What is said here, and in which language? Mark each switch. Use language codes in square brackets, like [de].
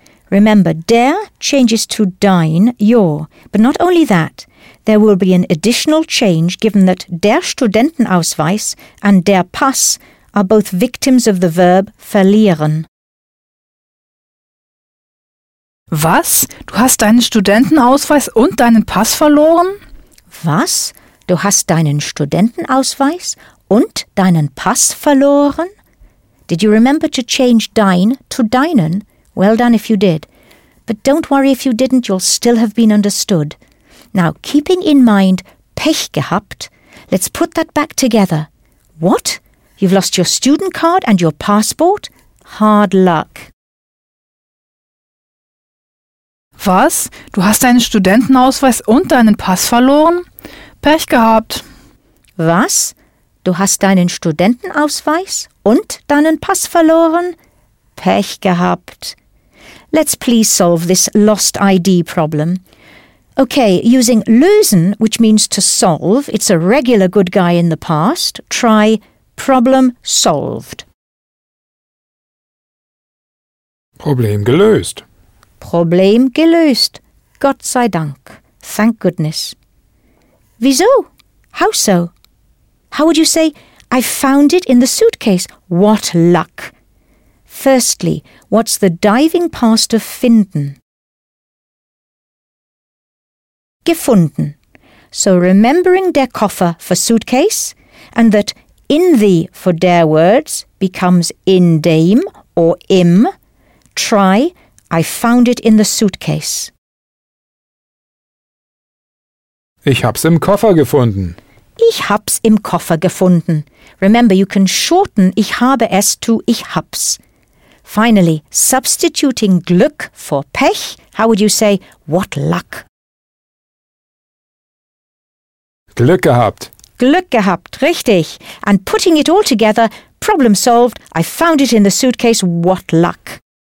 [en] Remember, der changes to dein, your. But not only that, there will be an additional change given that der Studentenausweis and der Pass are both victims of the verb verlieren. [de] Was? Du hast deinen Studentenausweis und deinen Pass verloren? Was? Du hast deinen Studentenausweis und deinen Pass verloren? [en] Did you remember to change dein to deinen? Well done if you did. But don't worry if you didn't, you'll still have been understood. Now, keeping in mind [de] Pech gehabt, [en] let's put that back together. What? You've lost your student card and your passport? Hard luck. [de] Was? Du hast deinen Studentenausweis und deinen Pass verloren? Pech gehabt. Was? Du hast deinen Studentenausweis und deinen Pass verloren? Pech gehabt. [en] Let's please solve this lost ID problem. Okay, using lösen, which means to solve, it's a regular good guy in the past. Try problem solved. [de] Problem gelöst. Problem gelöst. Gott sei Dank. [en] Thank goodness. [de] Wieso? [en] How so? How would you say, I found it in the suitcase? What luck! Firstly, what's the diving past of finden? [de] Gefunden. [en] So remembering der Koffer for suitcase, and that in the for der words becomes in dem or im, try, I found it in the suitcase. [de] Ich hab's im Koffer gefunden. Ich hab's im Koffer gefunden. [en] Remember, you can shorten [de] ich habe es to ich hab's. [en] Finally, substituting Glück for Pech, how would you say what luck? [de] Glück gehabt. Glück gehabt, richtig. [en] And putting it all together, problem solved, I found it in the suitcase, what luck.